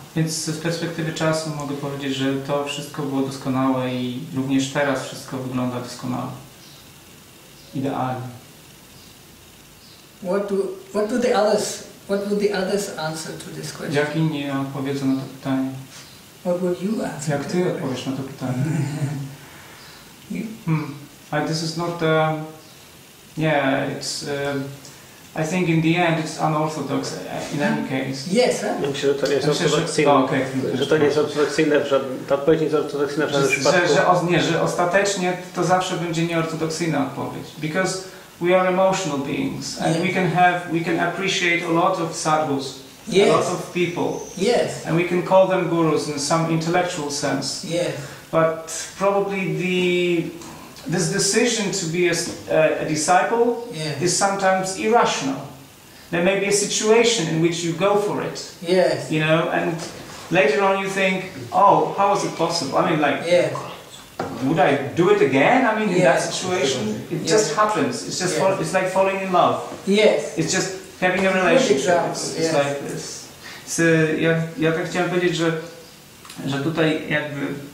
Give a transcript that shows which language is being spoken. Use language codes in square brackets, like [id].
[pl] Więc z perspektywy czasu mogę powiedzieć, że to wszystko było doskonałe i również teraz wszystko wygląda doskonale. Idealnie. [en] What would the others answer to this question? [pl] Jak inni odpowiedzą na to pytanie? [en] What would you answer? [pl] Jak ty odpowiesz na to pytanie? Hmm. [en] This is not. Yeah, it's. I think in the end it's unorthodox in any case. Yes, [pl] myślę, że to nie jest ortodoksyjne. Że to nie jest ortodoksyjne, że ta odpowiedź nie jest ortodoksyjna w żadnym przypadku. Że ostatecznie to zawsze będzie nieortodoksyjna odpowiedź. [en] Because we are emotional beings and yes. we can appreciate a lot of sadhus. Yes. A lot of people. Yes. And we can call them gurus in some intellectual sense. Yes. But probably this decision to be a disciple yes. is sometimes irrational. There may be a situation in which you go for it. Yes. You know, and later on you think, oh, how is it possible? I mean, like, yes. would I do it again? I mean, yes. in that situation, it yes. just happens. It's just yes. it's like falling in love. Yes. It's just having a relationship. It's like this. [pl] So, ja tak chciałem powiedzieć, że tutaj jakby.